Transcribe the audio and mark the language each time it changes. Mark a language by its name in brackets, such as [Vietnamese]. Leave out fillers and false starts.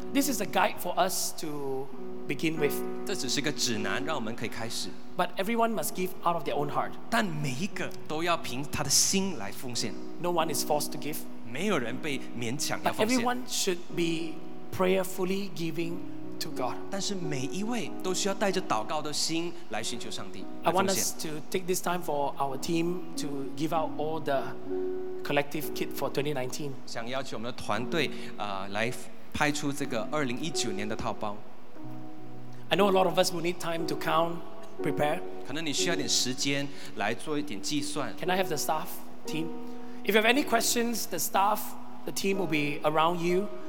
[English] This is a guide for us to begin with. [Chinese] 这只是个指南，让我们可以开始. [English] But everyone must give out of their own heart. [Chinese] 但每一个都要凭他的心来奉献. [English] No one is forced to give. [Chinese] 没有人被勉强要奉献. [English] But everyone should be prayerfully giving. To God. [Chinese] 但是每一位都需要带着祷告的心来寻求上帝, [English] I want us to take this time for our team to give out all the collective kit for 2019. [Chinese] 想邀请我们的团队, 来拍出这个2019年的套包. [English] I know a lot of us will need time to count, prepare. [Chinese] 可能你需要点时间来做一点计算. [English] Can I have the staff team? If you have any questions, the staff, the team will be around you.